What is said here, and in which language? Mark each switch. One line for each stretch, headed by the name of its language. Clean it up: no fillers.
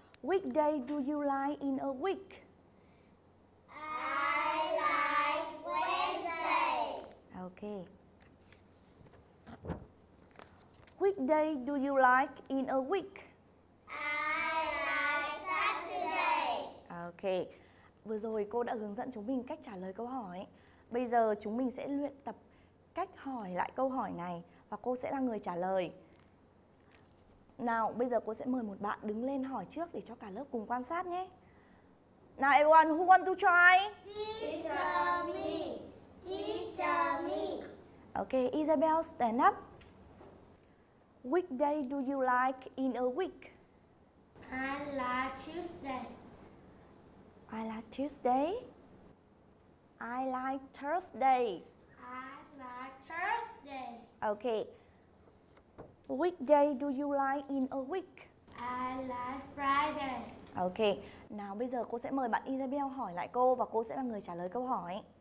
English: Which day do you like in a week? I like Wednesday. Okay. Which day do you like in a week? I like Saturday.
Vietnamese: Ok, vừa rồi cô đã hướng dẫn chúng mình cách trả lời câu hỏi. Bây giờ chúng mình sẽ luyện tập cách hỏi lại câu hỏi này và cô sẽ là người trả lời. Nào, bây giờ cô sẽ mời một bạn đứng lên hỏi trước để cho cả lớp cùng quan sát nhé.
English: Now everyone, who want to try? Teacher me. Teacher me. Ok, Isabel, stand up. Which day do you like in a week? I like Tuesday. I like Tuesday. I like Thursday. I like Thursday. Okay. Which day do you like in a week? I like Friday. Okay.
Vietnamese: Nào bây giờ cô sẽ mời bạn Isabel hỏi lại cô và cô sẽ là người trả lời câu hỏi.